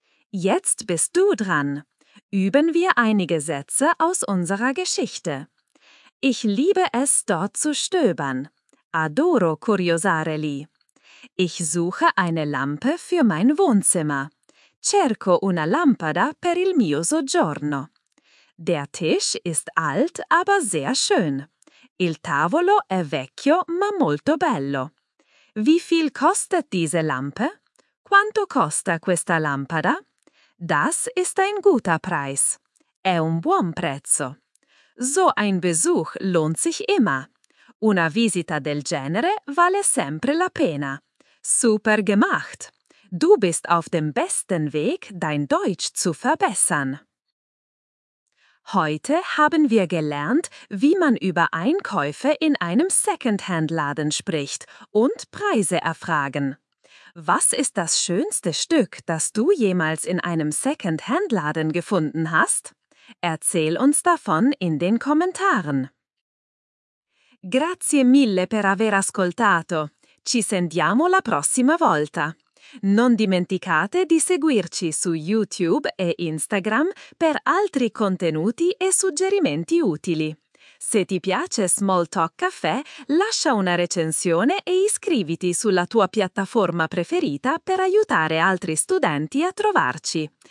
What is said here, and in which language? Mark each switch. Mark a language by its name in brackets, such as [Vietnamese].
[German] Jetzt bist du dran. Üben wir einige Sätze aus unserer Geschichte. Ich liebe es, dort zu stöbern. [Italian] Adoro curiosare lì. [German] Ich suche eine Lampe für mein Wohnzimmer. [Italian] Cerco una lampada per il mio soggiorno. [German] Der Tisch ist alt, aber sehr schön. [Italian] Il tavolo è vecchio, ma molto bello. [German] Wie viel kostet diese Lampe? [Italian] Quanto costa questa lampada? [German] Das ist ein guter Preis. [Italian] È un buon prezzo. [German] So ein Besuch lohnt sich immer. [Italian] Una visita del genere vale sempre la pena. [German] Super gemacht! Du bist auf dem besten Weg, dein Deutsch zu verbessern. Heute haben wir gelernt, wie man über Einkäufe in einem Secondhand-Laden spricht und Preise erfragen. Was ist das schönste Stück, das du jemals in einem Secondhand-Laden gefunden hast? Erzähl uns davon in den Kommentaren. [Italian] Grazie mille per aver ascoltato. Ci sentiamo la prossima volta. Non dimenticate di seguirci su YouTube e Instagram per altri contenuti e suggerimenti utili. Se ti piace Small Talk Caffè, lascia una recensione e iscriviti sulla tua piattaforma preferita per aiutare altri studenti a trovarci.